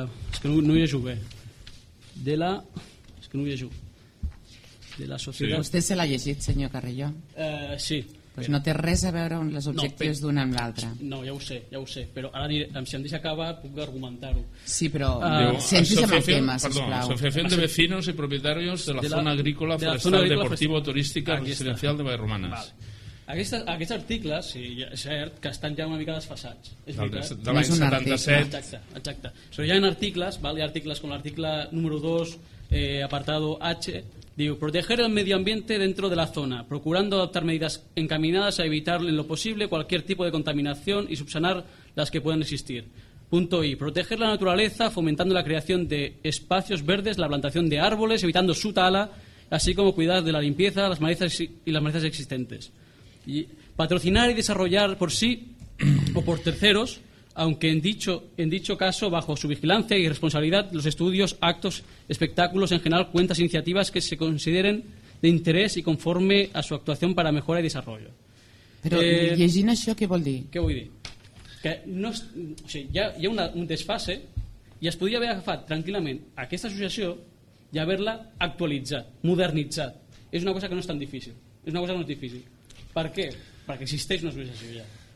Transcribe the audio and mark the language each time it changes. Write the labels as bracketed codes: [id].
[ca] és que no hi ha jugué. De la... és que no hi ha jugué. De la societat. Sí. Vostè se l'ha llegit, senyor Carrillo? Sí. Pues no té res a veure amb els objectius d'un amb l'altre. No, ja ho sé. Però ara, diré, si em deixa acabar, puc argumentar-ho. Sí, però senti-se amb el tema, sisplau. [es] Associación de vecinos y propietarios de la zona agrícola, forestal, deportivo, turística, residencial de Vallromanes. [ca] Aquests articles, sí, és cert, que estan ja una mica desfasats. De l'any 77. Exacte. Però hi ha articles, val? Hi ha articles com l'article número 2, apartado H... [es] digo, proteger el medio ambiente dentro de la zona, procurando adoptar medidas encaminadas a evitar en lo posible cualquier tipo de contaminación y subsanar las que puedan existir. Punto I, proteger la naturaleza fomentando la creación de espacios verdes, la plantación de árboles, evitando su tala, así como cuidar de la limpieza, las malezas y las malezas existentes. Y patrocinar y desarrollar por sí o por terceros, aunque en dicho caso, bajo su vigilancia y responsabilidad, los estudios, actos, espectáculos, en general, cuentas, iniciativas que se consideren de interés y conforme a su actuación para mejora y desarrollo. [ca] Pero, llegint això, què vol dir? Què vull dir? Que no, o sigui, hi ha un desfase i es podria haver agafat tranquil·lament aquesta associació i haver-la actualitzat, modernitzat. És una cosa que no és tan difícil. És una cosa que no és difícil. Per què? Perquè existeix una associació ja.